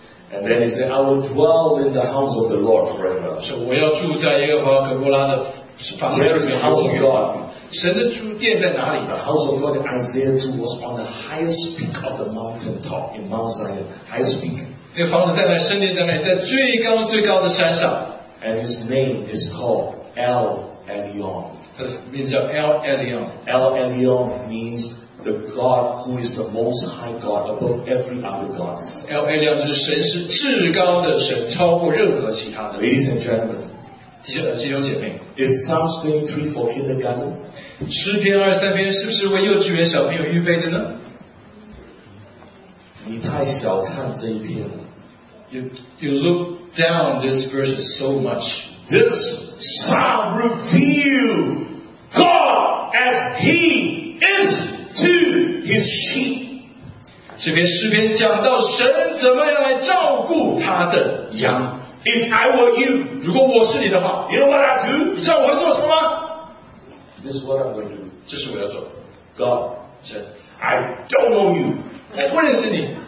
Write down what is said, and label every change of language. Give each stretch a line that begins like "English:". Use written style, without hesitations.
English: And then he said, I will dwell in the house of the Lord forever.
Chinese: 说我要住在耶和华可摩拉的房子里。
English: Where is the house of God?
Chinese: 神的住殿在哪里？
English: The house of God in Isaiah 2 was on the highest peak of the mountain top in Mount Zion. Highest peak.
Chinese: 那房子在哪？圣殿在哪？在最高最高的山上。
English: And his name is called El Elyon. It means El Elyon. El Elyon means the God who is the most high God above every other gods.
Chinese: El Elyon 就是神是至高的神，超过任何其他的。
English: Ladies and gentlemen,
Chinese: 弟兄姐妹,
English: is Psalm 23 for kindergarten?
Chinese: 诗篇23篇是不是为幼稚园小朋友预备的呢？你太小看这一篇了。
English: You look down this verse so much. This psalm reveals God as He is to His sheep.
Chinese: 这篇诗篇讲到神怎么样来照顾他的羊.
English: If I were you,
Chinese: 如果我是你的话,
English: you know what I do?
Chinese: 你知道我会做什么吗?
English: This is what I'm going to do.
Chinese: 这是我要做.
English: God,
Chinese: 神,
English: I don't know you.
Chinese: 我不认识你.